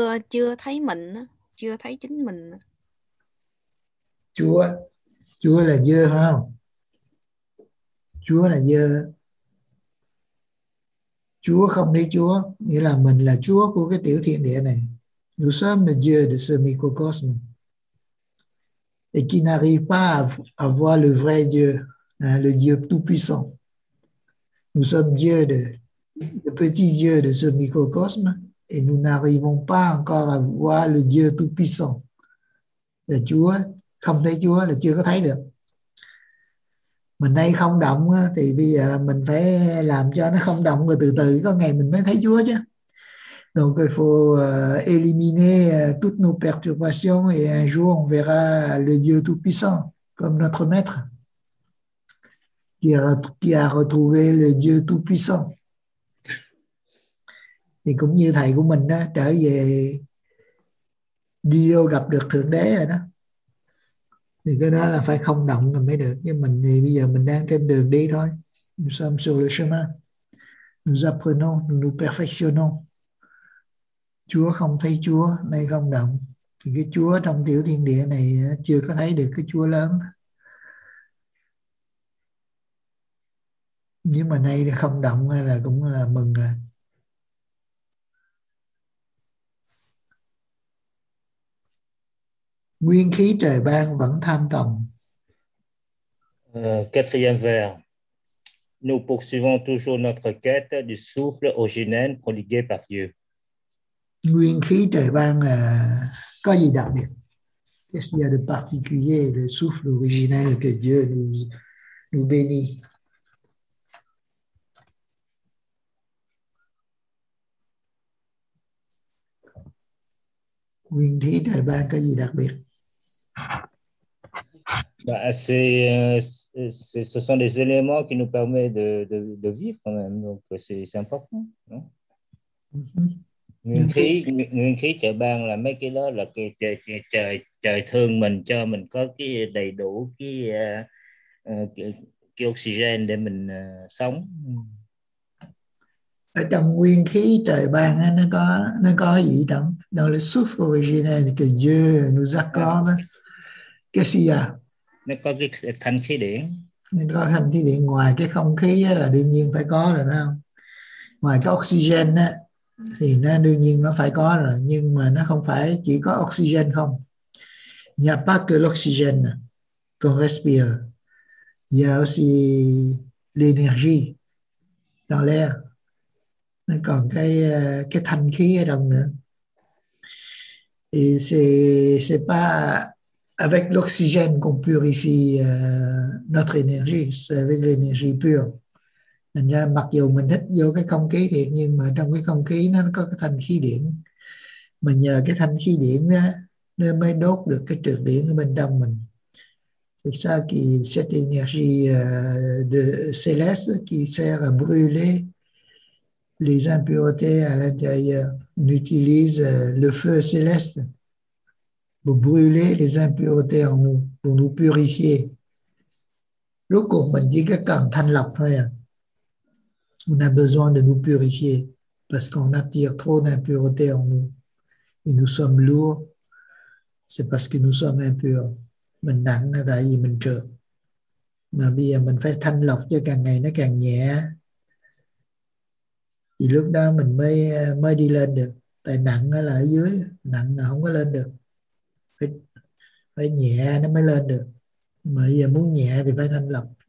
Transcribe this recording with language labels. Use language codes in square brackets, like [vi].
[vi] Chưa thấy mình, chưa thấy chính mình. Chúa là dơ phải không? Chúa là dơ. Chúa không thấy Chúa, nghĩa là mình là Chúa của cái tiểu thiên địa này. [fr] Nous sommes Dieu de ce microcosme. Et qui n'arrive pas à voir le vrai Dieu. Hein, le Dieu tout-puissant. Nous sommes Dieu, le petit Dieu de ce microcosme, et nous n'arrivons pas encore à voir le Dieu tout-puissant. Le Dieu, comme le Dieu, le Dieu que tu as dit. [vi] mình nay không động thì bây giờ mình phải làm cho nó không động, rồi từ từ có ngày mình mới thấy Chúa chứ. [fr] Donc il faut éliminer toutes nos perturbations et un jour on verra le Dieu Tout-Puissant comme notre maître qui a retrouvé le Dieu Tout-Puissant. [vi] Thì cũng như thầy của mình trở về đi vô gặp được Thượng Đế rồi đó. Thì cái đó là phải không động là mới được. Nhưng mình thì bây giờ mình đang trên đường đi thôi. [fr] Nous sommes sur le chemin. Nous apprenons, nous nous perfectionnons. [vi] Chúa không thấy Chúa, nay không động. Thì cái Chúa trong tiểu thiên địa này chưa có thấy được cái Chúa lớn. Nhưng mà nay không động là cũng là mừng rồi. Nguyên khí trời ban vẫn tham tầm. [fr] Quatrième vers. Nous poursuivons toujours notre quête du souffle originel prodigué par Dieu. [vi] Nguyên khí trời ban là có gì đặc biệt? [fr] Qu'est-ce qu'il y a de particulier, le souffle originel que Dieu nous bénit? [vi] Nguyên khí trời ban có gì đặc biệt? [fr] Bah, c'est ce sont des éléments qui nous permettent de vivre quand même, donc c'est important, non? [vi] Nguyên khí trời ban là mấy cái đó, là trời thương mình, cho mình có cái đầy đủ cái oxygen để mình sống. Ở trong nguyên khí trời ban nó có gì trong đó, [fr] le souffle originel que Dieu nous accorde. [vi] Cái gì à? Nó có cái thanh khí điển. Nó có thanh khí điển, ngoài cái không khí là đương nhiên phải có rồi, phải không? Ngoài cái oxygen á, thì nó đương nhiên nó phải có rồi. Nhưng mà nó không phải chỉ có oxygen không. [fr] Il n'y a pas que l'oxygène qu'on respire. Il y a aussi l'énergie dans l'air. [vi] Nó còn cái thanh khí ở trong nữa. [fr] Et c'est pas... avec l'oxygène qu'on purifie notre énergie, c'est avec l'énergie pure. [vi] Thành ra mặc dù mình hít vô cái không khí thiệt, nhưng mà trong cái không khí nó có cái thanh khí điển. Mà nhờ cái thanh khí điển đó, nó mới đốt được cái trượt điển ở bên trong mình. [fr] C'est ça qui, cette énergie de céleste qui sert à brûler les impuretés à l'intérieur. On utilise le feu céleste pour brûler les impuretés en nous, pour nous purifier. [vi] Rốt cuộc mình chỉ cần thanh lọc thôi à. [fr] On a besoin de nous purifier parce qu'on attire trop d'impuretés en nous. Et nous sommes lourds, c'est parce que nous sommes impurs. [vi] Mình nặng là tại vì mình trượt. Mà bây giờ mình phải thanh lọc cho càng ngày nó càng nhẹ. Thì lúc đó mình mới đi lên được. Tại nặng là ở dưới, nặng là không có lên được. Phải nhẹ nó mới lên được. Mà giờ muốn nhẹ thì phải thanh lọc.